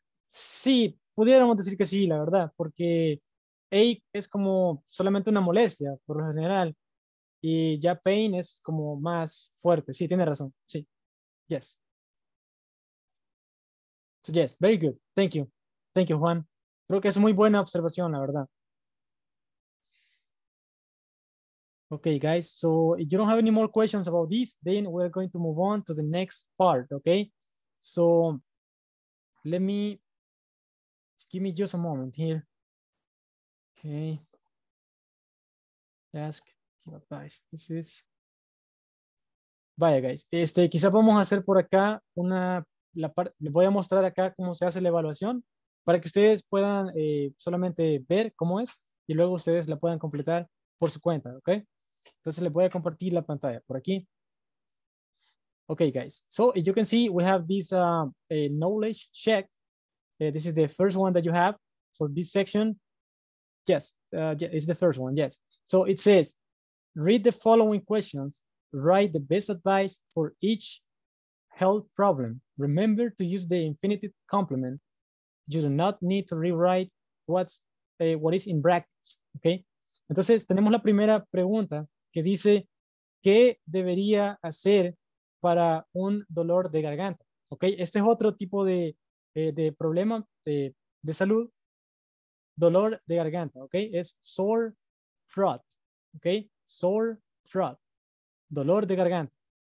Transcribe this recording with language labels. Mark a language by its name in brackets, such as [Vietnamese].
[Spanish] Sí, pudiéramos decir que sí, la verdad, porque ache es como solamente una molestia, por lo general. Y ya pain es como más fuerte. Sí, tiene razón. Sí. Yes. [English] So yes, very good. Thank you. Thank you, Juan. [Spanish] Creo que es muy buena observación, la verdad. [English] Okay, guys. So if you don't have any more questions about this, then we're going to move on to the next part, okay? So give me just a moment here. Okay. Ask advice. This is. Vaya, guys. [Spanish] Quizá vamos a hacer por acá una. Les voy a mostrar acá cómo se hace la evaluación para que ustedes puedan solamente ver cómo es y luego ustedes la puedan completar por su cuenta, ¿ok? Entonces les voy a compartir la pantalla por aquí. [English] Okay, guys. So you can see we have this knowledge check. This is the first one that you have for this section. Yes, it's the first one, yes. So it says, read the following questions, write the best advice for each health problem. Remember to use the infinitive complement. You do not need to rewrite what is in brackets, okay? [Spanish] Entonces, tenemos la primera pregunta que dice, ¿qué debería hacer para un dolor de garganta? Okay, este es otro tipo de problema de salud. Dolor de garganta, ok, es sore throat, ok, sore throat, dolor de garganta.